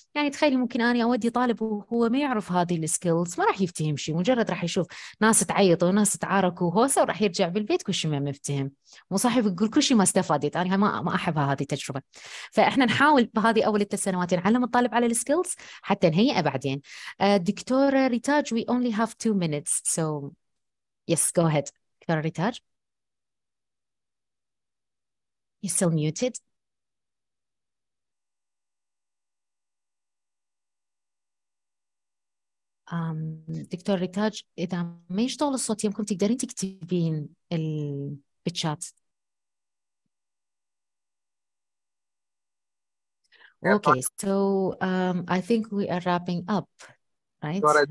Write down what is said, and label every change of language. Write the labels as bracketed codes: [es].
[ar] يعني تخيلي ممكن أنا أودي طالب وهو ما يعرف هذه السكيلز، ما راح يفتهم شيء، مجرد راح يشوف ناس تعيط وناس تعاركوا هوسه وراح يرجع بالبيت كل شيء ما مفتهم، وصاحب يقول كل شيء ما استفادت، أنا ما أحب هذه التجربة. فإحنا نحاول بهذه أول 3 سنوات نعلم الطالب على السكيلز حتى نهيئه بعدين. [en] دكتورة ريتاج، we only have 2 minutes, so yes, go ahead. دكتورة ريتاج, you're still muted. [ar] دكتور ريتاج إذا ما يشتغل الصوت يمكن تقدرين تكتبين بالشات. [en] Okay, so I think we are wrapping up, right?